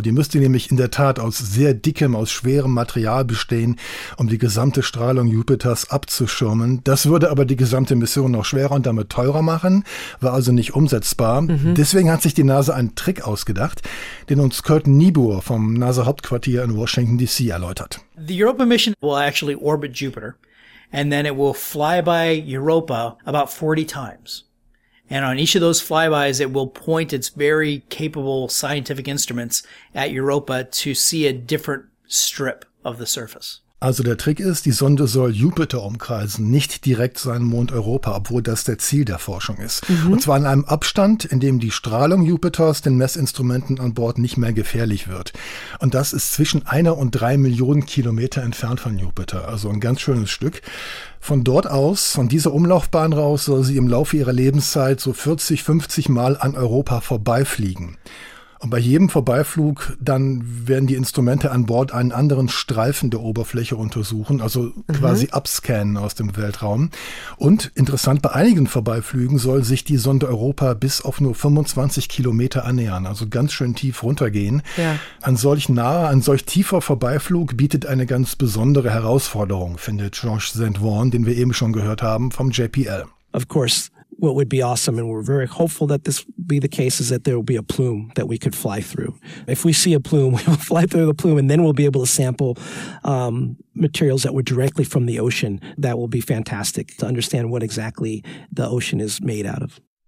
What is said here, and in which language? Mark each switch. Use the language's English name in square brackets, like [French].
[German] Die müsste nämlich in der Tat aus sehr dickem, aus schwerem Material bestehen, um die gesamte Strahlung Jupiters abzuschirmen. Das würde aber die gesamte Mission noch schwerer und damit teurer machen, war also nicht umsetzbar. Mhm. Deswegen hat sich die NASA einen Trick ausgedacht, den uns Kurt Niebuhr vom NASA-Hauptquartier in Washington D.C. erläutert. [English] The Europa Mission will actually orbit Jupiter. And then it will fly by Europa about 40 times. And on each of those flybys, it will point its very capable scientific instruments at Europa to see a different strip of the surface. [German] Also der Trick ist, die Sonde soll Jupiter umkreisen, nicht direkt seinen Mond Europa, obwohl das der Ziel der Forschung ist. Mhm. Und zwar in einem Abstand, in dem die Strahlung Jupiters den Messinstrumenten an Bord nicht mehr gefährlich wird. Und das ist zwischen 1 und 3 Millionen Kilometer entfernt von Jupiter, also ein ganz schönes Stück. Von dort aus, von dieser Umlaufbahn raus, soll sie im Laufe ihrer Lebenszeit so 40, 50 Mal an Europa vorbeifliegen. Und bei jedem Vorbeiflug, dann werden die Instrumente an Bord einen anderen Streifen der Oberfläche untersuchen, also quasi abscannen aus dem Weltraum. Und interessant, bei einigen Vorbeiflügen soll sich die Sonde Europa bis auf nur 25 Kilometer annähern, also ganz schön tief runtergehen. Ja. Ein solch tiefer Vorbeiflug bietet eine ganz besondere Herausforderung, findet Georges Saint-Vaughan, den wir eben schon gehört haben, vom JPL. [English] Of course. What would be awesome, and we're very hopeful that this be the case, is that there will be a plume that we could fly through. If we see a plume, we will fly through the plume, and then we'll be able to sample materials that were directly from the ocean. That will be fantastic to understand what exactly the ocean is made out of.